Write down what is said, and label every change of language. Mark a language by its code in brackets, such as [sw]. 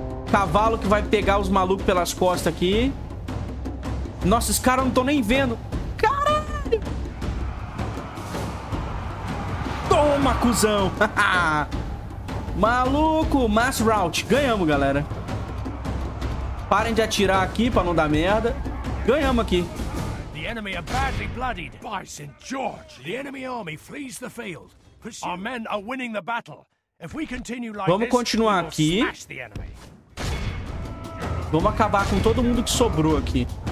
[pt] Cavalo que vai pegar os malucos pelas costas aqui. Nossa, esses caras não estão nem vendo. Caralho! Toma, cuzão! Maluco! [en] Mass route. [pt] Ganhamos, galera. Parem de atirar aqui pra não dar merda. Ganhamos aqui. [en] The enemy are badly bloodied. By St. George, the enemy army flees the field. Our men are winning the battle. If we continue like this, [pt] vamos continuar aqui. Vamos acabar com todo mundo que sobrou aqui.